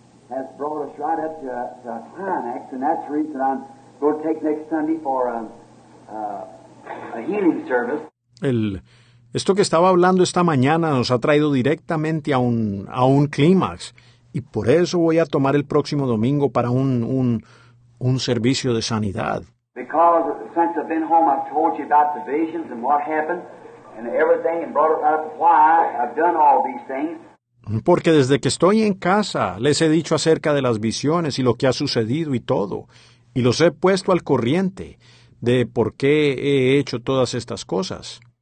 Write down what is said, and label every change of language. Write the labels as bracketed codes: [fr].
[en] Has brought us right up to the climax, and that's the reason I'm going to take next Sunday for a healing service. [es] Esto que estaba hablando esta mañana nos ha traído directamente a un clímax, y por eso voy a tomar el próximo domingo para un servicio de sanidad. [en] Because since I've been home, I've told you about the visions and what happened and everything, and brought up why I've done all these things. [es] Porque desde que estoy en casa, les he dicho acerca de las visiones y lo que ha sucedido y todo. Y los he puesto al corriente de por qué he hecho todas estas cosas.